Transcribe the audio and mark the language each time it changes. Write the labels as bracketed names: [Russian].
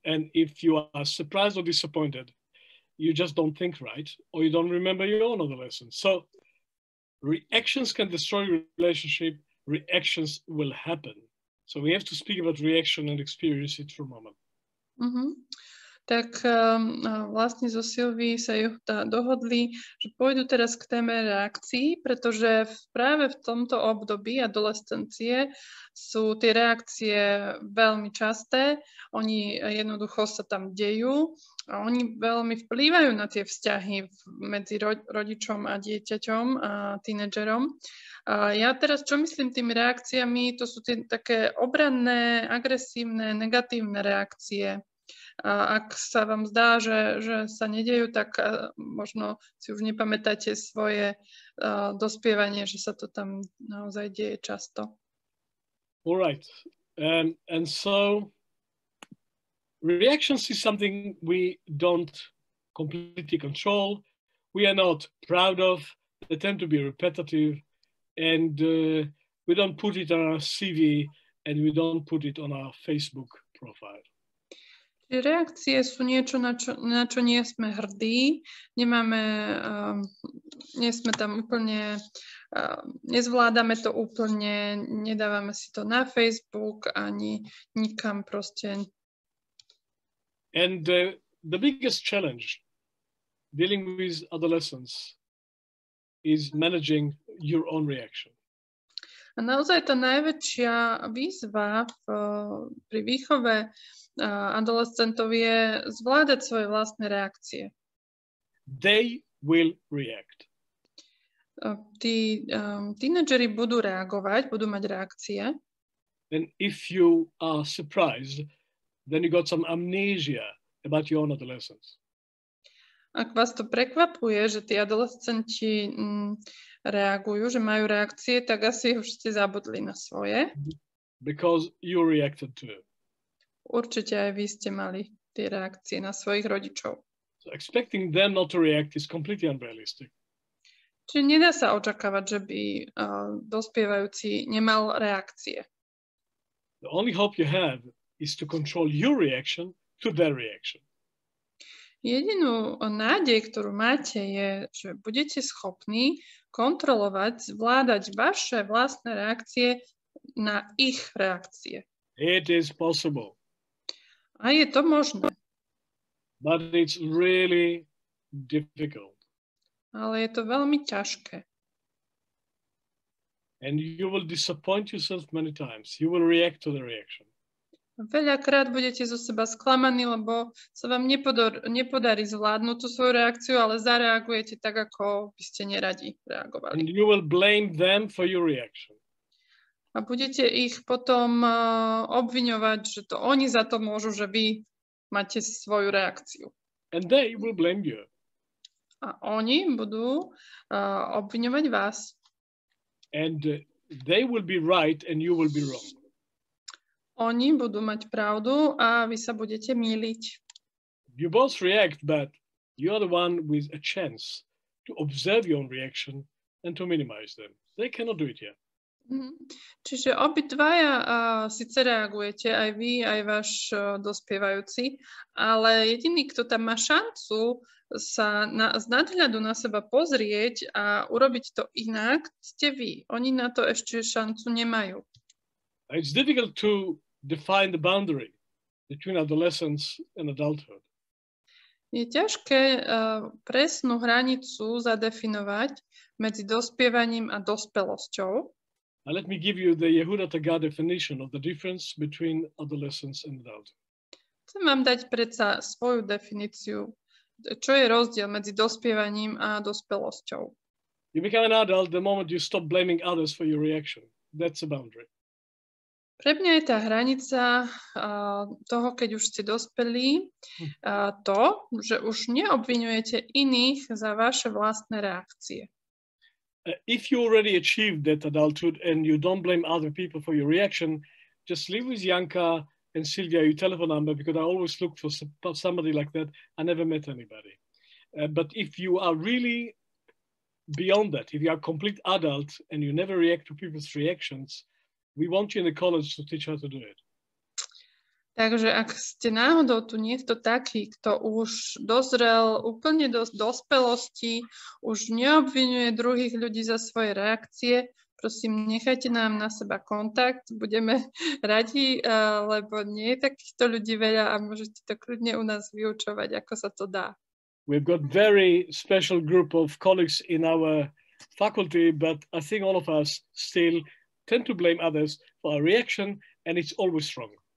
[English] And if you are surprised or disappointed, you just don't think right, or you don't remember your own adolescence. So reactions can destroy your relationship. Reactions will happen. So we have to speak about reaction and experience it for a moment. Mm-hmm. [Slovak] Tak vlastne zo Silvy sa Yehuda dohodli, že pôjdu teraz k téme reakcií, pretože práve v tomto období adolescencie sú tie reakcie veľmi časté. Oni jednoducho sa tam dejú a oni veľmi vplývajú na tie vzťahy medzi rodičom a dieťaťom a tínedžerom. Ja teraz, čo myslím tými reakciami, to sú tie také obranné, agresívne, negatívne reakcie. A ak sa vám zdá, že sa nedejú, tak možno si už nepamätáte svoje dospievanie, že sa to tam naozaj deje často. [English] All right. And so reactions is something we don't completely control. We are not proud of. They tend to be repetitive. And we don't put it on our CV and we don't put it on our Facebook profile. [Slovak] Reakcie sú niečo, na čo nie sme hrdí, nezvládame to úplne, nedávame si to na Facebook ani nikam proste. [English] And the biggest challenge dealing with adolescents is managing your own reaction. [Slovak] A naozaj tá najväčšia výzva pri výchove adolescentov je zvládať svoje vlastné reakcie. [English] they will react. [Slovak] Tí tínedžeri budú reagovať, budú mať reakcie. [English] Then if you are surprised, then you got some amnesia about your own adolescence. [Slovak] Ak vás to prekvapuje, že tí adolescenti reagujú, že majú reakcie, tak asi už ste zabudli na svoje. [English] Because you reacted to it. [Slovak] Určite aj vy ste mali tie reakcie na svojich rodičov. [English] So expecting them not to react is completely unrealistic. [Slovak] Čiže nedá sa očakávať, že by dospievajúci nemal reakcie. [English] The only hope you have is to control your reaction to their reaction. [Slovak] Jedinú nádej, ktorú máte, je, že budete schopní kontrolovať, zvládať vaše vlastné reakcie na ich reakcie. [English] It is possible. [Slovak] A je to možné. [English] But it's really difficult. [Slovak] Ale je to veľmi ťažké. [English] And you will disappoint yourself many times. You will react to the reaction. [Slovak] Veľakrát budete zo seba sklamaní, lebo sa vám nepodarí zvládnuť tú svoju reakciu, ale zareagujete tak, ako by ste neradi reagovali. [English] And you will blame them for your reaction. [Slovak] A budete ich potom obviňovať, že to oni za to môžu, že vy máte svoju reakciu. [English] And they will blame you. [Slovak] A oni budú obviňovať vás. [English] And they will be right and you will be wrong. [Slovak] Oni budú mať pravdu a vy sa budete mýliť. [English] You both react, but you are the one with a chance to observe your own reaction and to minimize them. They cannot do it yet. [Slovak] Čiže obidvaja síce reagujete, aj vy, aj váš dospievajúci, ale jediný, kto tam má šancu sa z nadhľadu na seba pozrieť a urobiť to inak, ste vy. Oni na to ešte šancu nemajú. [English] It's difficult to define the boundary between adolescence and adulthood. [Slovak] Je ťažké presnú hranicu zadefinovať medzi dospievaním a dospelosťou. [English] Now let me give you the Yehuda Tagar definition of the difference between adolescence and adulthood. [Slovak] Chcem vám dať predsa svoju definíciu, čo je rozdiel medzi dospievaním a dospelosťou. [English] You become an adult the moment you stop blaming others for your reaction. That's a boundary. [Slovak] Pre mňa je tá hranica toho, keď už ste dospelí, to, že už neobviňujete iných za vaše vlastné reakcie. [English] If you already achieved that adulthood and you don't blame other people for your reaction, just leave with Janka and Silvia your telephone number because I always look for somebody like that. I never met anybody. But if you are really beyond that, if you are a complete adult and you never react to people's reactions, we want you in the college to teach how to do it. [Slovak] Takže ak ste náhodou tu niekto taký, kto už dozrel úplne do dospelosti, už neobvinuje druhých ľudí za svoje reakcie, prosím, nechajte nám na seba kontakt, budeme radi, lebo nie je takýchto ľudí veľa a môžete to kľudne u nás vyučovať, ako sa to dá. [English] We've got very special group of colleagues in our faculty, but I think all of us still tend to blame others for our reaction and it's always wrong.